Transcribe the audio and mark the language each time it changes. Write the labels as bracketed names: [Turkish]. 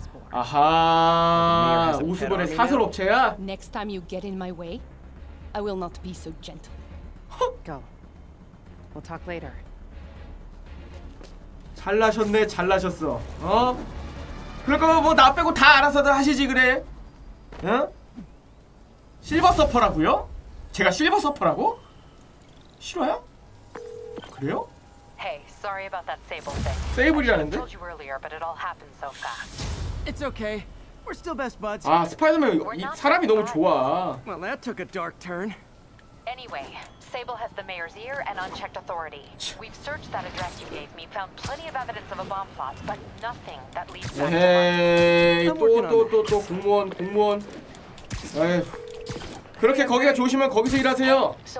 [Korean] 아하, 오스본의 사설 업체야? [English] Next time you get in my way, I will not be so gentle. Go. We'll talk later. [Korean] 잘나셨네, 잘나셨어. 어? 그러니까 뭐 나 빼고 다 알아서들 하시지 그래. 응? 실버 서퍼라고요? 제가 실버 서퍼라고? 싫어요? 그래요? [English] Sorry about that Sable thing. [Korean] Sable이라는데? [English] I told you earlier, but it all happened so fast. It's okay. We're still best buds. [Korean] 아, 스파이더맨 이 사람이 너무 좋아. [English] Well, that took a dark turn. Anyway, Sable has the mayor's ear and unchecked authority. We've searched that address you gave me, found plenty of evidence of a bomb plot, but nothing that leads back to us. [Korean] 에이, 또 공무원. 에휴. 그렇게 거기가 좋으시면 거기서 일하세요.